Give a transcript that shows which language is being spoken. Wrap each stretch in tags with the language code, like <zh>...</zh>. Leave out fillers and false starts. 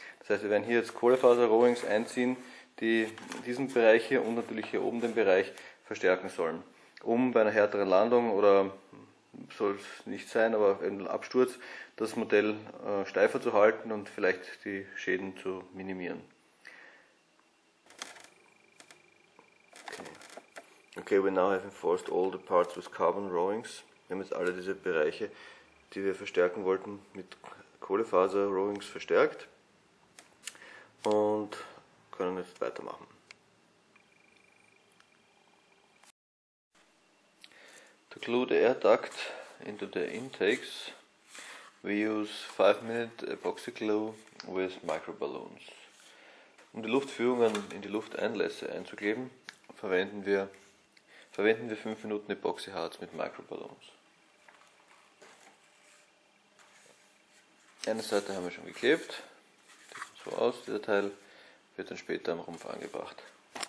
<de>Das heißt, wir werden hier jetzt Kohlefaser-Rowings einziehen, die diesen Bereich hier und natürlich hier oben den Bereich verstärken sollen. Um bei einer härteren Landung oder soll es nicht sein, aber im Absturz das Modell steifer zu halten und vielleicht die Schäden zu minimieren.</de> <en>Okay, we now have enforced all the parts with carbon rowings.</en> <de>Wir haben jetzt alle diese Bereiche, die wir verstärken wollten, mit Kohlefaser rowings verstärkt und können jetzt weitermachen.</de> <en>To glue the air duct into the intakes, we use 5-minute epoxy glue with microballoons.</en> <de>Um die Luftführungen in die Lufteinlässe einzukleben, verwenden wir 5 Minuten Epoxyharz mit Microballons. Eine Seite haben wir schon geklebt. Sieht so aus, dieser Teil wird dann später am Rumpf angebracht.</de>